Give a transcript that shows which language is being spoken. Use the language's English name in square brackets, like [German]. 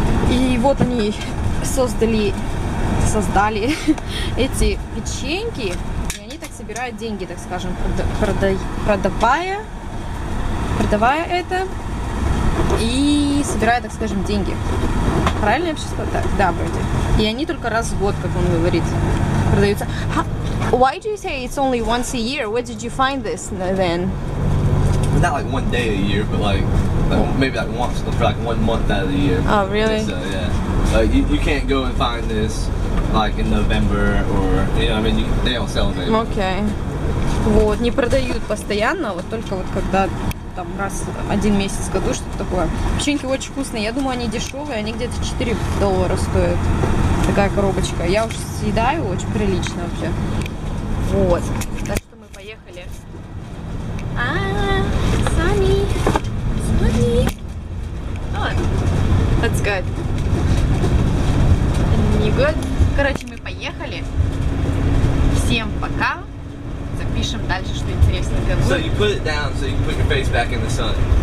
[Russian] И вот они создали эти печеньки, и они так собирают деньги, так скажем, продавая это, и собирая, так скажем, деньги. Правильно я сейчас сказала? Да, вроде. И они только раз в год, как он говорит, продаются. [English] Why do you say it's only once a year? Where did you find this then? Not like one day a year, but like maybe like once for like 1 month out of the year. Oh, really? So yeah, like you can't go and find this like in November or, you know, I mean, they don't sell it. Okay. [Russian] Вот не продают постоянно, вот только вот когда там раз один месяц в году что-то такое. Печеньки очень вкусные, я думаю, они дешевые, они где-то $4 стоят. Такая коробочка. Я уж съедаю очень прилично вообще. Вот. Так что мы поехали. Sunny. Sunny. [English] Oh, that's good. [Russian] Не good. Короче, мы поехали. Всем пока. Запишем дальше, что интересно. [English] So you put it down so you can put your face back in the sun.